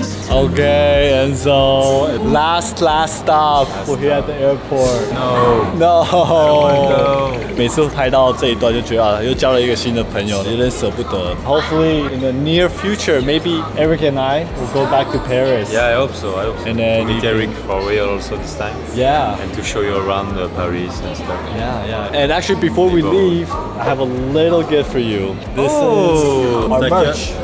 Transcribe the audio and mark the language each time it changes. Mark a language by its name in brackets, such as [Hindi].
[English] Okay, Enzo, last stop, we're here at the airport. No. I don't want to go. [Chinese] 每次拍到这一段就觉得、啊、又交了一个新的朋友，有点舍不得。 [English] Hopefully in the near future, maybe Eric and I will go back to Paris. Yeah, I hope so. I hope so. And then meet Eric for real also this time. Yeah. And to show you around Paris and stuff. Yeah, yeah. And actually before we leave, I have a little gift for you. This is our merch.